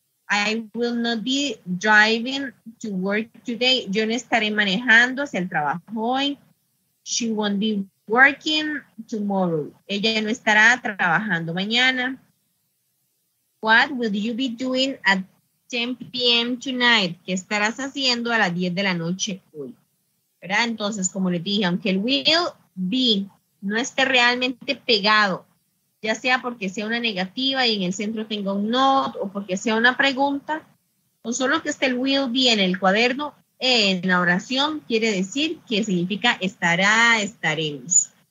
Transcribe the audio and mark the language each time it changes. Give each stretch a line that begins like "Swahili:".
English: I will not be driving to work today.
Spanish: Yo no estaré manejando hacia el trabajo hoy.
English: She won't be working tomorrow.
Spanish: Ella no estará trabajando mañana.
English: What will you be doing at 10 p.m. tonight?
Spanish: ¿Qué estarás haciendo a las 10 de la noche hoy? ¿Verdad? Entonces, como les dije, aunque el will be no esté realmente pegado, ya sea porque sea una negativa y en el centro tenga un not, o porque sea una pregunta, o solo que esté el will be en el cuaderno, en la oración, quiere decir que significa estará, estaremos.